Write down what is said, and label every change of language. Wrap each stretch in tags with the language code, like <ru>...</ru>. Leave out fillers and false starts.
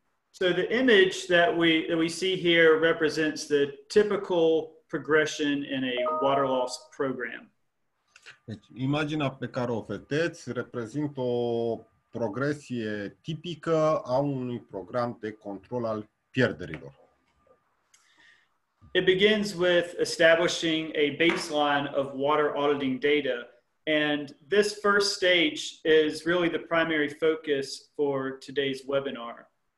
<en>So the image that we see here represents the typical progression in a water loss program.</en> <ro>Deci, imaginea pe care o vedeți reprezintă o progresie tipică a unui program de control al pierderilor.</ro> <en>It begins with establishing a baseline of water auditing data, and this first stage is really the primary focus for today's webinar.</en>